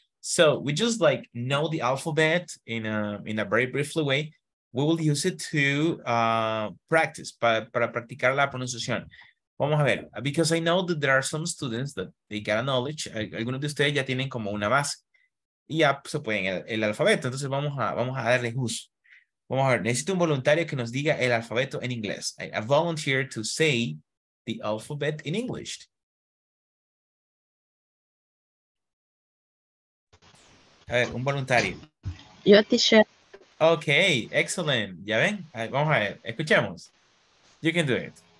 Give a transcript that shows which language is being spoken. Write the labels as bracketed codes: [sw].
[en] So we just like know the alphabet in a very briefly way. We will use it to practice, [es] para practicar la pronunciación. Vamos a ver, [en] because I know that there are some students that they get a knowledge. [es] Algunos de ustedes ya tienen como una base. Y ya se pueden el alfabeto. Entonces vamos a darle uso. Vamos a ver, necesito un voluntario que nos diga el alfabeto en inglés. [en] A volunteer to say the alphabet in English. [es] A ver, un voluntario. Yo, teacher. [en] Okay, excellent. [es] ¿Ya ven? Vamos a ver, escuchemos. [en] You can do it.